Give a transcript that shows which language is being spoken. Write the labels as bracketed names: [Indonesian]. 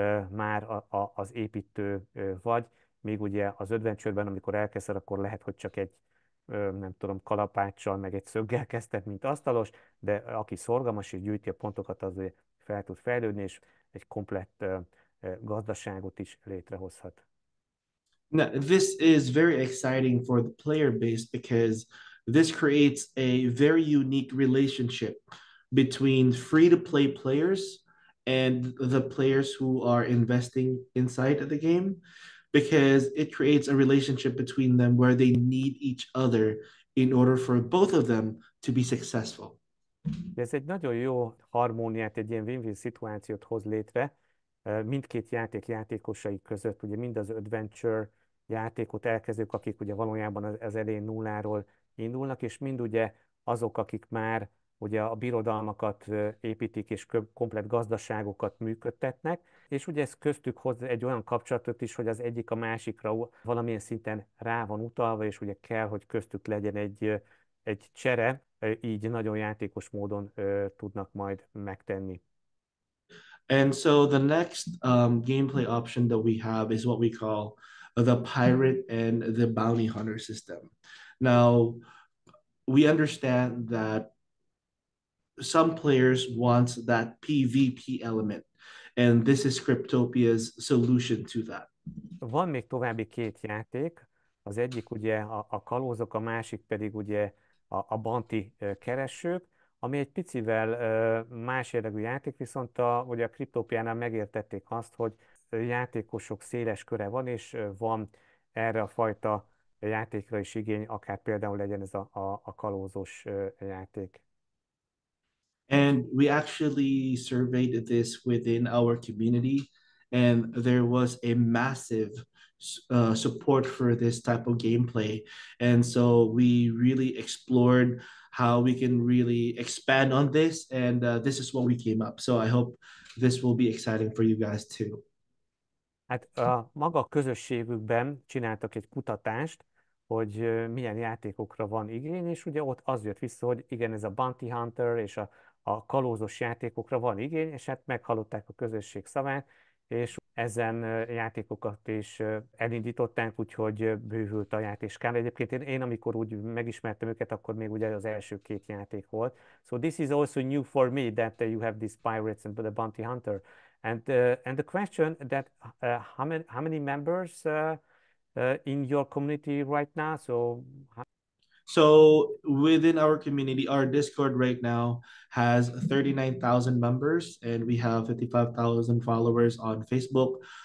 [Hungarian] már az építő vagy, még ugye az adventure-ben, amikor elkezded, akkor lehet, hogy csak egy, nem tudom, kalapáccsal, meg egy szöggel kezdted, mint asztalos, de aki szorgalmas és gyűjti a pontokat, az fel tud fejlődni, és egy komplett gazdaságot is létrehozhat. [English] Now, this is very exciting for the player base because this creates a very unique relationship between free-to-play players and the players who are investing inside of the game, because it creates a relationship between them where they need each other in order for both of them to be successful. [Hungarian] Ez egy nagyon jó harmóniát, egy ilyen win-win szituációt hoz létre mindkét játék játékosai között, ugye mind az adventure játékot elkezdők, akik ugye valójában az elején nulláról indulnak, és mind ugye azok, akik már ugye a birodalmakat építik és komplett gazdaságokat működtetnek, és ugye ez köztük hoz egy olyan kapcsolatot is, hogy az egyik a másikra valamilyen szinten rá van utalva, és ugye kell, hogy köztük legyen egy csere, így nagyon játékos módon tudnak majd megtenni. [English] And so the next gameplay option that we have is what we call the pirate and the bounty hunter system. Now, we understand that some players want that PvP element, and this is Cryptopia's solution to that. [Hungarian] Van még további két játék, az egyik ugye a kalózok, a másik pedig ugye a banti keresők, ami egy picivel más jellegű játék, viszont ugye a Kriptópiánál megértették azt, hogy játékosok széles köre van, és van erre a fajta játékra is igény, akár például legyen ez a kalózos játék. [English] And we actually surveyed this within our community, and there was a massive support for this type of gameplay. And so we really explored how we can really expand on this, and this is what we came up. So I hope this will be exciting for you guys too. [Hungarian] Hát a maga közösségükben csináltak egy kutatást, hogy milyen játékokra van igény, és ugye ott az jött vissza, hogy igen, ez a Bounty Hunter és a kalózos játékokra van igény, és hát meghallották a közösség szavát, és ezen játékokat is elindították, úgyhogy bővült a játéskála. Egyébként én amikor úgy megismertem őket, akkor még ugye az első két játék volt. [English] So this is also new for me that you have these pirates and the bounty hunter. And the question that how many members in your community right now? So within our community, our Discord right now has 39,000 members, and we have 55,000 followers on Facebook.